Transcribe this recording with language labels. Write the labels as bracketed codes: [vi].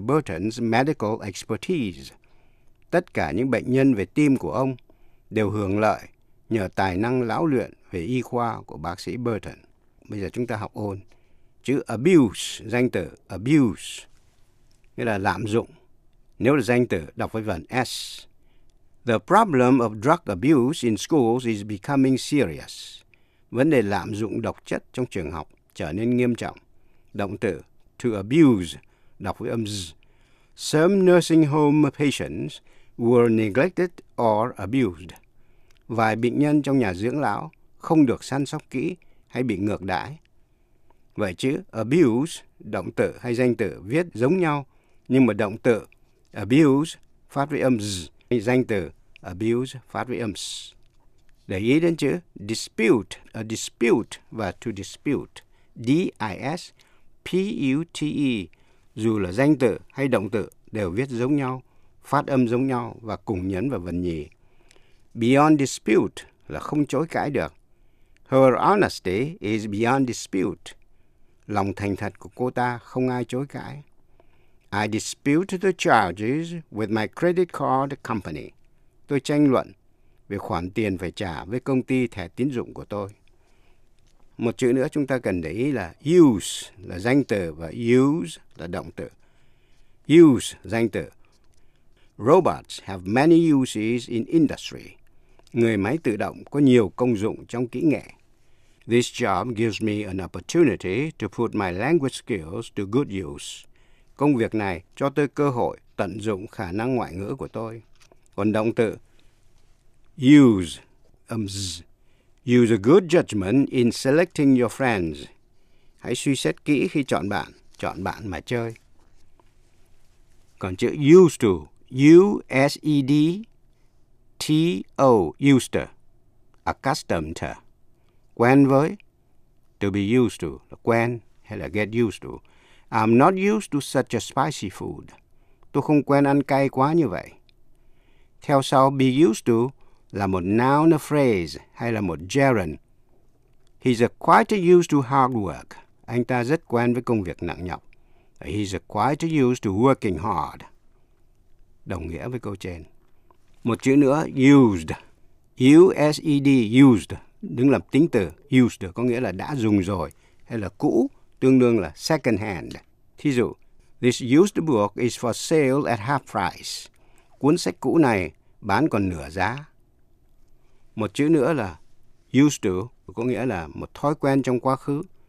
[en] Burton's medical expertise. [vi] Tất cả những bệnh nhân về tim của ông đều hưởng lợi nhờ tài năng lão luyện về y khoa của bác sĩ Burton. Bây giờ chúng ta học ôn. Chữ abuse, danh từ abuse, nghĩa là lạm dụng. Nếu là danh từ, đọc với vần S. [en] The problem of drug abuse in schools is becoming serious. [vi] Vấn đề lạm dụng độc chất trong trường học trở nên nghiêm trọng. Động từ to abuse, đọc với âm Z. [en] Some nursing home patients were neglected or abused. [vi] Vài bệnh nhân trong nhà dưỡng lão không được săn sóc kỹ hay bị ngược đãi. Vậy chữ abuse, động từ hay danh từ viết giống nhau, nhưng mà động từ abuse phát với âm z, danh từ abuse phát với âm s. Để ý đến chữ dispute, a dispute và to dispute, D-I-S-P-U-T-E, dù là danh từ hay động từ đều viết giống nhau, phát âm giống nhau và cùng nhấn vào vần nhì. [en] Beyond dispute [vi] là không chối cãi được. [en] Her honesty is beyond dispute. [vi] Lòng thành thật của cô ta không ai chối cãi. [en] I dispute the charges with my credit card company. [vi] Tôi tranh luận về khoản tiền phải trả với công ty thẻ tín dụng của tôi. Một chữ nữa chúng ta cần để ý là use là danh từ và use là động từ. Use, danh từ. [en] Robots have many uses in industry. [vi] Người máy tự động có nhiều công dụng trong kỹ nghệ. [en] This job gives me an opportunity to put my language skills to good use. [vi] Công việc này cho tôi cơ hội tận dụng khả năng ngoại ngữ của tôi. Còn động từ use, z. [en] Use a good judgment in selecting your friends. [vi] Hãy suy xét kỹ khi chọn bạn mà chơi. Còn chữ used to, U-S-E-D-T-O, used to, accustomed to. Quen với, to be used to, là quen hay là get used to. [en] I'm not used to such a spicy food. [vi] Tôi không quen ăn cay quá như vậy. Theo sau, be used to là một noun a phrase hay là một gerund. [en] He's a quite used to hard work. [vi] Anh ta rất quen với công việc nặng nhọc. [en] He's a quite used to working hard. [vi] Đồng nghĩa với câu trên. Một chữ nữa, used. U-S-E-D, used. Đứng làm tính từ, used có nghĩa là đã dùng rồi, hay là cũ, tương đương là second hand. Thí dụ, [en] This used book is for sale at half price. [vi] Cuốn sách cũ này bán còn nửa giá. Một chữ nữa là used to, có nghĩa là một thói quen trong quá khứ.